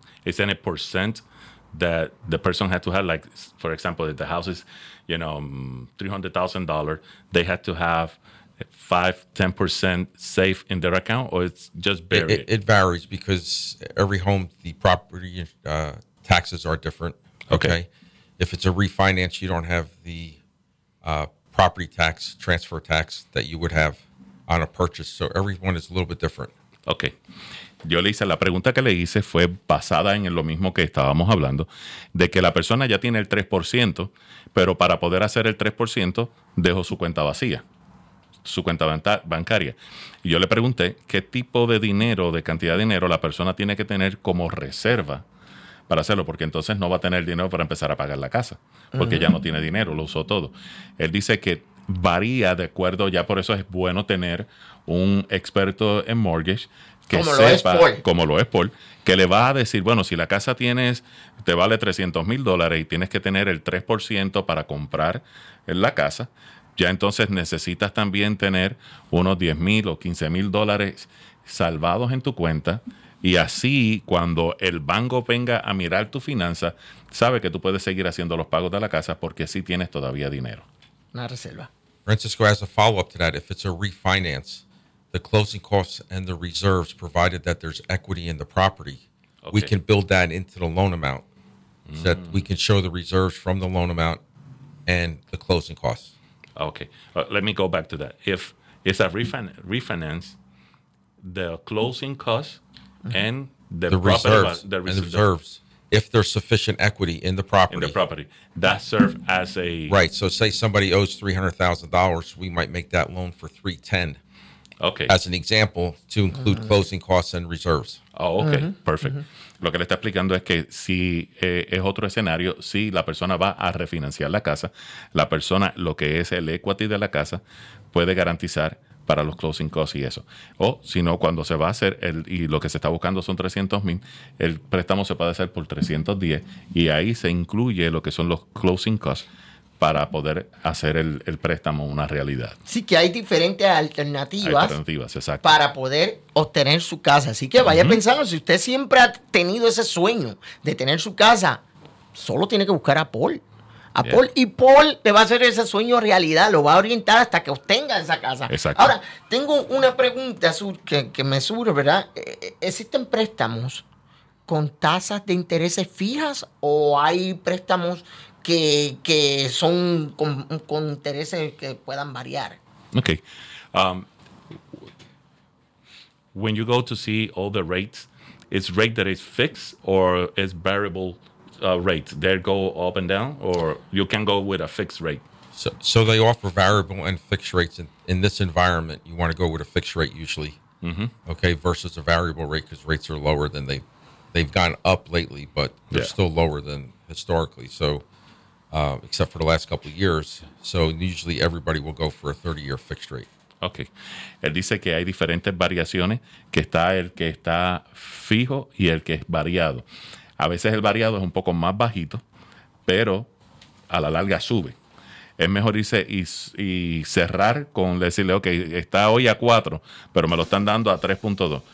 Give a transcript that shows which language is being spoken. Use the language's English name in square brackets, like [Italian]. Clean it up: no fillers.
[English] Is there any percent that the person had to have, like, for example, if the house is, you know, $300,000, they had to have 5-10% safe in their account, or it's just buried? It varies because every home, the property taxes are different. Okay. If it's a refinance, you don't have the property tax, transfer tax that you would have on a purchase. So everyone is a little bit different. Okay. [Spanish] Yo le hice, la pregunta que le hice fue basada en lo mismo que estábamos hablando, de que la persona ya tiene el 3%, pero para poder hacer el 3% dejó su cuenta vacía, su cuenta bancaria. Y yo le pregunté qué tipo de dinero, de cantidad de dinero la persona tiene que tener como reserva para hacerlo, porque entonces no va a tener dinero para empezar a pagar la casa, porque ya no tiene dinero, lo usó todo. Él dice que varía de acuerdo, ya por eso es bueno tener un experto en mortgage, que como sepa, lo es Paul. Como lo es Paul, que le va a decir, bueno, si la casa tienes, te vale $300,000 y tienes que tener el 3% para comprar la casa, ya entonces necesitas también tener unos $10,000 o $15,000 salvados en tu cuenta. Y así, cuando el banco venga a mirar tu finanza, sabe que tú puedes seguir haciendo los pagos de la casa porque sí tienes todavía dinero. Una reserva. [English] Francisco, as a follow-up to that, if it's a refinance, the closing costs and the reserves, provided that there's equity in the property, okay, we can build that into the loan amount. So that we can show the reserves from the loan amount and the closing costs. Okay. Let me go back to that. If it's a refinance, the closing costs and the reserves, if there's sufficient equity in the property. In the property. That serves as a... Right. So say somebody owes $300,000, we might make that loan for $310,000. Okay. As an example, to include closing costs and reserves. Oh, okay. Mm-hmm. Perfect. Mm-hmm. [Spanish] Lo que le está explicando es que si es otro escenario, si la persona va a refinanciar la casa, la persona, lo que es el equity de la casa, puede garantizar para los closing costs y eso. O si no, cuando se va a hacer el, y lo que se está buscando son 300 mil, el préstamo se puede hacer por 310 y ahí se incluye lo que son los closing costs para poder hacer el préstamo una realidad. Sí, que hay diferentes alternativas, exacto, para poder obtener su casa. Así que vaya pensando, si usted siempre ha tenido ese sueño de tener su casa, solo tiene que buscar a Paul. Paul, y Paul te va a hacer ese sueño realidad, lo va a orientar hasta que obtenga esa casa. Exacto. Ahora, tengo una pregunta que me surge, ¿verdad? ¿Existen préstamos con tasas de intereses fijas o hay préstamos que son con intereses que puedan variar? Ok. [English] When you go to see all the rates, is rate that is fixed or is variable? Rates, they go up and down, or you can go with a fixed rate? So they offer variable and fixed rates. In this environment, you want to go with a fixed rate usually, okay, versus a variable rate, because rates are lower than they've gone up lately, but they're still lower than historically. So except for the last couple of years. So usually everybody will go for a 30-year fixed rate. Okay. [Spanish] Él dice que hay diferentes variaciones, que está el que está fijo y el que es variado. A veces el variado es un poco más bajito, pero a la larga sube. Es mejor irse y cerrar con decirle, ok, está hoy a 4, pero me lo están dando a 3.2.